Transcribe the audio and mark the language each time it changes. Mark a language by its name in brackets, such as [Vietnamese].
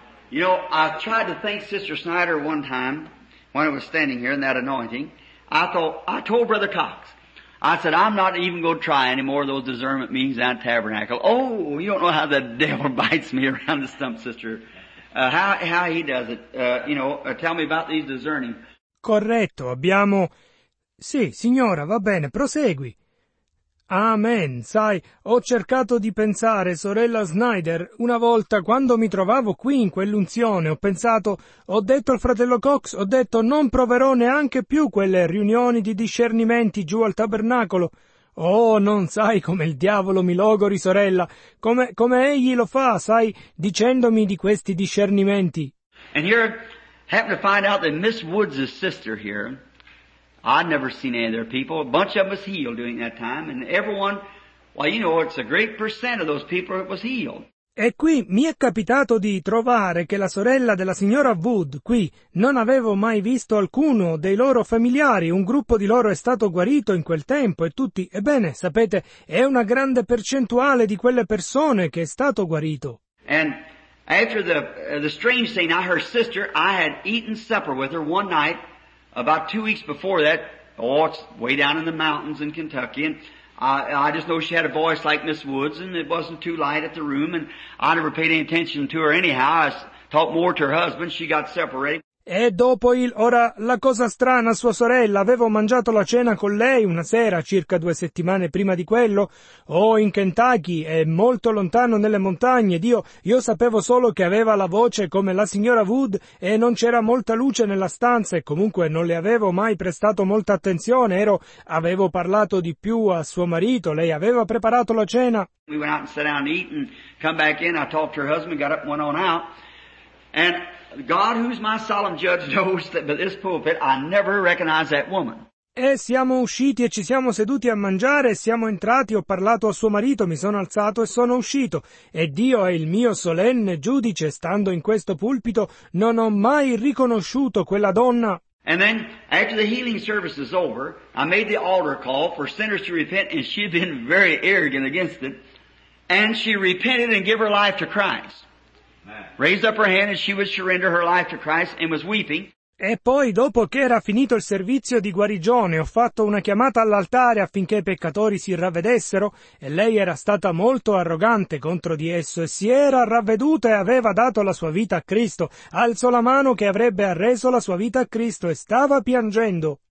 [English] You know, I tried to thank Sister Snyder one time when I was standing here in that anointing. I told Brother Cox, I said, I'm not even going to try any more of those discernment meetings at Tabernacle. Oh, you don't know how the devil bites me around the stump, Sister. How he does it. Tell me about these discerning. [Italian] Corretto, abbiamo... Sì, signora, va bene, prosegui. Amen. Sai, ho cercato di pensare, sorella Snyder, una volta quando mi trovavo qui in quell'unzione, ho detto al fratello Cox, ho detto non proverò neanche più quelle riunioni di discernimenti giù al tabernacolo. Oh, non sai come il diavolo mi logori, sorella, come egli lo fa, sai, dicendomi di questi discernimenti. [English] And here, happen to find out that Miss Woods' sister here, I'd never seen any of their people. A bunch of them was healed during that time, and everyone, well, you know, it's a great percent of those people that was healed. [Italian] E qui mi è capitato di trovare che la sorella della signora Wood, qui, non avevo mai visto alcuno dei loro familiari, un gruppo di loro è stato guarito in quel tempo, e tutti, ebbene, sapete, è una grande percentuale di quelle persone che è stato guarito. [English] And after the strange thing, I, her sister, I had eaten supper with her one night, about 2 weeks before that, oh, it's way down in the mountains in Kentucky, and I just know she had a voice like Miss Woods, and it wasn't too light at the room, and I never paid any attention to her anyhow. I talked more to her husband. She got separated. [Italian] E dopo il... Ora, la cosa strana, sua sorella, avevo mangiato la cena con lei una sera, circa 2 settimane prima di quello, in Kentucky, è molto lontano nelle montagne, ed io sapevo solo che aveva la voce come la signora Wood e non c'era molta luce nella stanza e comunque non le avevo mai prestato molta attenzione, avevo parlato di più a suo marito, lei aveva preparato la cena. [English] We went out and sat down to eat and come back in, I talked to her husband, got up and went on out, and... God, who's my solemn judge, knows that by this pulpit I never recognize that woman. [Italian] E siamo usciti e ci siamo seduti a mangiare, siamo entrati, ho parlato a suo marito, mi sono alzato e sono uscito. E Dio è il mio solenne giudice, stando in questo pulpito, non ho mai riconosciuto quella donna. [English] And then, after the healing service is over, I made the altar call for sinners to repent, and she'd been very arrogant against it, and she repented and gave her life to Christ. Raised up her hand and she would surrender her life to Christ and was weeping. [Italian] E poi, dopo che era finito il servizio di guarigione, ho fatto una chiamata all'altare affinché i peccatori si ravvedessero, e lei era stata molto arrogante contro di esso, e si era ravveduta e aveva dato la sua vita a Cristo. Alzò la mano che avrebbe arreso la sua vita a Cristo e stava piangendo.